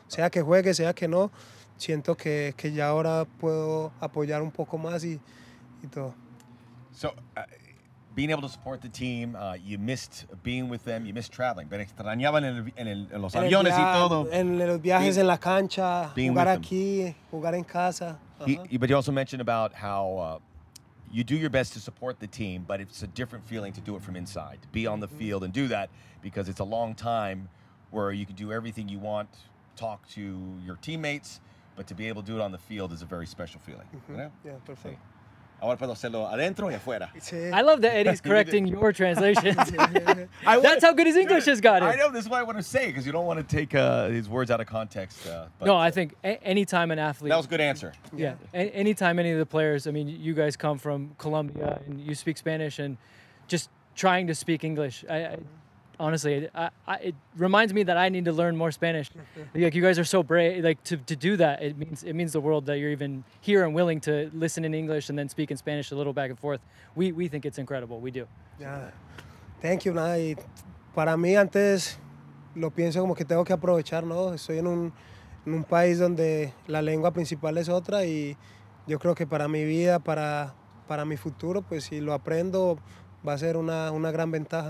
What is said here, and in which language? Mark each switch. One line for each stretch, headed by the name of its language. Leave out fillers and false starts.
Spanish: Sea que juegue, sea que no, siento que ya ahora puedo apoyar un poco más y todo.
English: So, being able to support the team, you missed being with them, you missed traveling.
Spanish: Pero extrañaban en los aviones y todo. En los viajes, en la cancha, jugar aquí, jugar en casa.
English: But you also mentioned about how you do your best to support the team, but it's a different feeling to do it from inside, to be on the field and do that, because it's a long time where you can do everything you want, talk to your teammates, but to be able to do it on the field is a very special feeling. Yeah, perfect. Sí.
Spanish: Ahora puedo hacerlo adentro y afuera.
English: I love that Eddie's correcting your translations. That's how good his English has got it. I know, this is what I want to say, because you don't want to take his words out of context. I think anytime an athlete... That was a good answer. Yeah, anytime any of the players, I mean, you guys come from Colombia and you speak Spanish and just trying to speak English. It reminds me that I need to learn more Spanish. Like, you guys are so brave. Like, to do that, it means the world that you're even here and willing to listen in English and then speak in Spanish a little back and forth. We think it's incredible. We do. Yeah. Thank you, Nai.
Spanish: Para mí antes lo pienso como que tengo que aprovechar, ¿no? Estoy en un país donde la lengua principal es otra, y yo creo que para mi vida, para mi futuro, pues si lo aprendo, va a ser una gran ventaja.